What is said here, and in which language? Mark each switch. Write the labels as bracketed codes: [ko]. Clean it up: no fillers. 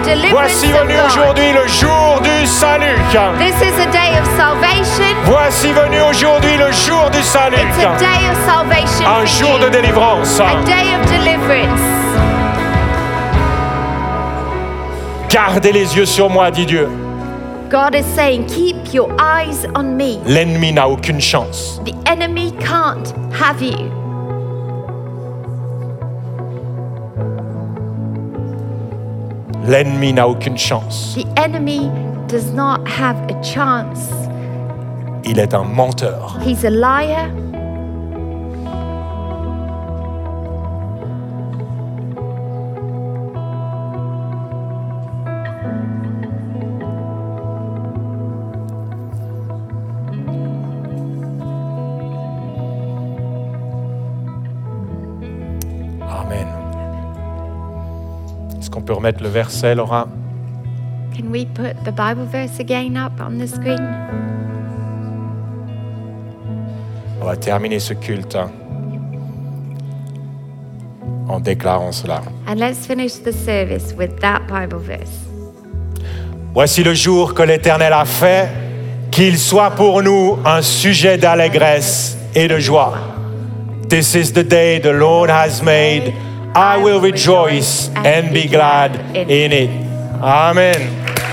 [fr] Voici venu aujourd'hui le jour du salut. [en] This is a day of salvation. [fr] Voici venu aujourd'hui le jour du salut. [en] It's a day of salvation. [fr] Un jour de délivrance. [en] A day of deliverance. [fr] Gardez les yeux sur moi, dit Dieu. [en] God is saying, keep your eyes on me. [fr] L'ennemi n'a aucune chance. [en] The enemy can't have you. [fr] L'ennemi n'a aucune chance. [en] The enemy does not have a chance. [fr] Il est un menteur. [en] He's a liar. [fr] On peut remettre le verset, Laura. [en] Can we put the Bible verse again up on the screen? [fr] On va terminer ce culte en déclarant cela. [en] And let's finish the service with that Bible verse. [fr] Voici le jour que l'Éternel a fait, qu'il soit pour nous un sujet d'allégresse et de joie. [en] This is the day the Lord has made. I will rejoice and be glad in it. Amen.